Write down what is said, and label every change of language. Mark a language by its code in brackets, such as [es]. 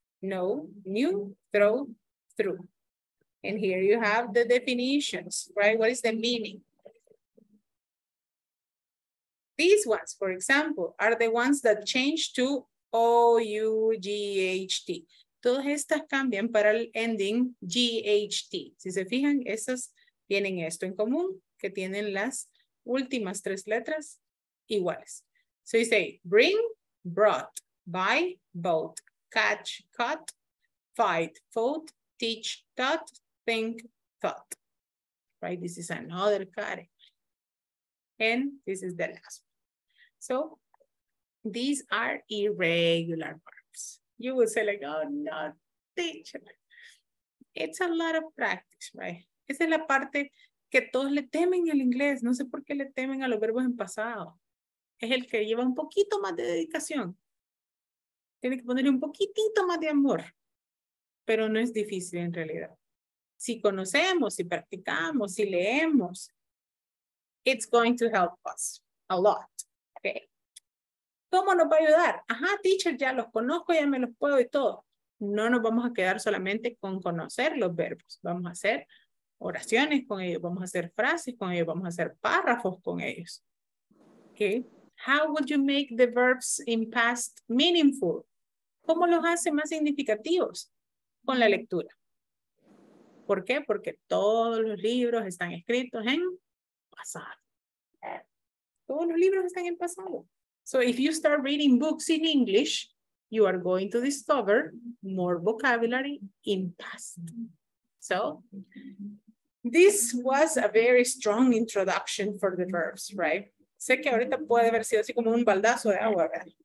[en] Know, knew. Throw, threw. And here you have the definitions, right? What is the meaning? These ones, for example, are the ones that change to O-U-G-H-T. [es] Todas estas cambian para el ending G-H-T. Si se fijan, esas tienen esto en común, que tienen las últimas tres letras iguales. [en] So you say, bring, brought, buy, bought, catch, cut, fight, fought, teach, taught, think, thought. Right, this is another category. And this is the last one. So these are irregular verbs. You will say like, oh no, teacher. It's a lot of practice, right? [es] Esa es la parte que todos le temen al inglés. No sé por qué le temen a los verbos en pasado. Es el que lleva un poquito más de dedicación. Tiene que ponerle un poquitito más de amor. Pero no es difícil en realidad. si conocemos, si practicamos, si leemos, [en] it's going to help us a lot. [es] Okay. ¿Cómo nos va a ayudar? Ajá, teacher, ya los conozco, ya me los puedo y todo. No nos vamos a quedar solamente con conocer los verbos. Vamos a hacer oraciones con ellos, vamos a hacer frases con ellos, vamos a hacer párrafos con ellos. [en] Okay. How would you make the verbs in past meaningful? [es] ¿Cómo los hace más significativos? Con la lectura. ¿Por qué? Porque todos los libros están escritos en pasado. Todos los libros están en pasado. [en] So if you start reading books in English, you are going to discover more vocabulary in past. So this was a very strong introduction for the verbs, right? [es] Sé que ahorita puede haber sido así como un baldazo de agua, ¿verdad?